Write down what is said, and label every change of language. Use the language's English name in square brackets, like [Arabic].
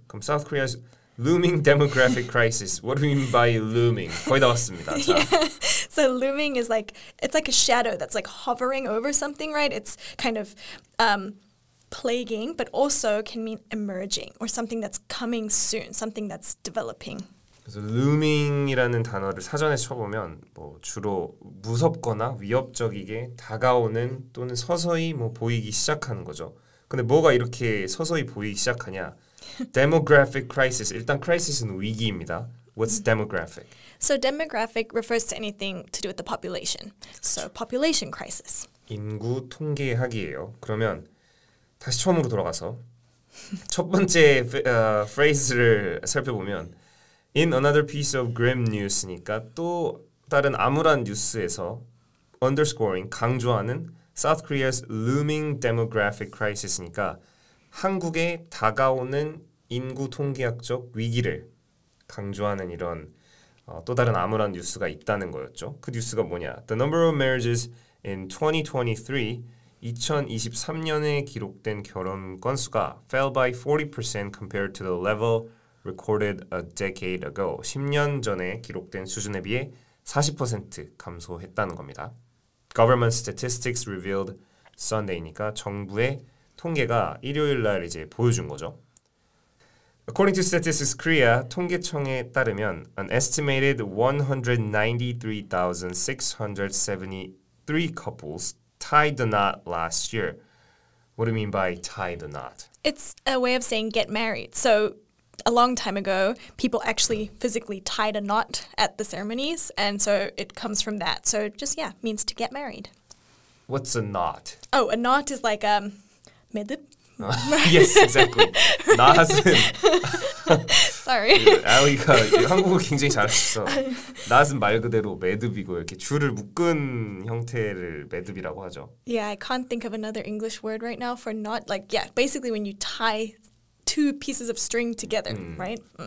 [English] 그럼 South Korea's Looming demographic crisis. What do you mean by looming? [Korean] 거의 다 왔습니다. [English] Yeah. So looming is like, it's like a shadow that's like hovering over something, right? It's kind of plaguing, but also can mean emerging or something that's coming soon, something that's developing. [Korean] 그래서 looming이라는 단어를 사전에 쳐보면 뭐 주로 무섭거나 위협적이게 다가오는 또는 서서히 뭐 보이기 시작하는 거죠. 근데 뭐가 이렇게 서서히 보이기 시작하냐? [English] Demographic crisis. [Korean] 일단 crisis은 위기입니다. [English] What's demographic? So demographic refers to anything to do with the population. So population crisis. [Korean] 인구 통계학이에요. 그러면 다시 처음으로 돌아가서 첫 번째 phrase를 살펴보면 [English] in another piece of grim news [Korean] 니까 또 다른 암울한 뉴스에서 underscoring 강조하는 [English] South Korea's looming demographic crisis [Korean] 니까 한국의 다가오는 인구 통계학적 위기를 강조하는 이런 또 다른 암울한 뉴스가 있다는 거였죠. 그 뉴스가 뭐냐? [English] The number of marriages in 2023, [Korean] 2023년에 기록된 결혼 건수가 [English] fell by 40% compared to the level recorded a decade ago. [Korean] 10년 전에 기록된 수준에 비해 40% 감소했다는 겁니다. [English] Government statistics revealed Sunday [Korean] 니까 정부의 통계가 일요일 날 이제 보여준 거죠. [English] According to Statistics Korea, [Korean] 통계청에 따르면 [English] an estimated 193,673 couples tied the knot last year. What do you mean by tie the knot? It's a way of saying get married. So a long time ago, people actually physically tied a knot at the ceremonies, and so it comes from that. So just, yeah, means to get married. What's a knot? Oh, a knot is like a 매듭. Yes, exactly. 낫은 Sorry. [Korean] 아리가 한국어 굉장히 잘했어. 낫은 말 그대로 매듭이고 이렇게 줄을 묶은 형태를 매듭이라고 하죠. [English] Yeah, I can't think of another English word right now for knot. Like, yeah, basically when you tie two pieces of string together, right?